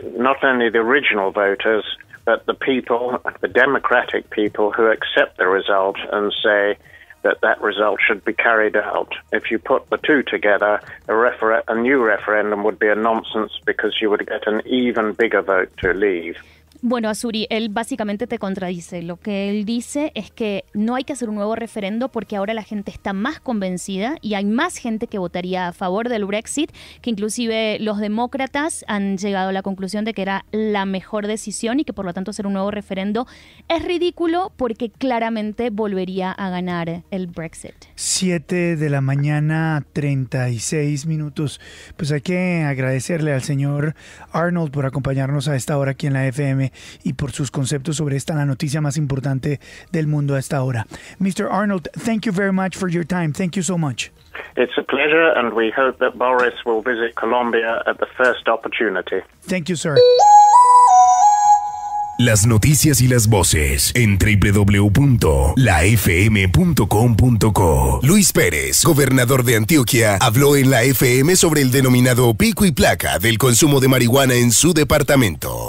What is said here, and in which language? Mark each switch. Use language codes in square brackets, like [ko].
[en] Not only the original voters, but the people, the democratic people who accept the result and say that result should be carried out. If you put the two together, a new referendum would be a nonsense because you would get an even bigger vote to leave. [es] Bueno, Azuri, él básicamente te contradice. Lo que él dice es que no hay que hacer un nuevo referendo porque ahora la gente está más convencida y hay más gente que votaría a favor del Brexit, que inclusive los demócratas han llegado a la conclusión de que era la mejor decisión y que por lo tanto hacer un nuevo referendo es ridículo porque claramente volvería a ganar el Brexit. 7:36 PM. Pues hay que agradecerle al señor Arnold por acompañarnos a esta hora aquí en la FM y por sus conceptos sobre esta, la noticia más importante del mundo a esta hora. [en] Mr. Arnold, thank you very much for your time. Thank you so much. It's a pleasure, and we hope that Boris will visit Colombia at the first opportunity. Thank you, sir. [es] Las noticias y las voces en www.lafm.com.co. Luis Pérez, gobernador de Antioquia, habló en la FM sobre el denominado pico y placa del consumo de marihuana en su departamento.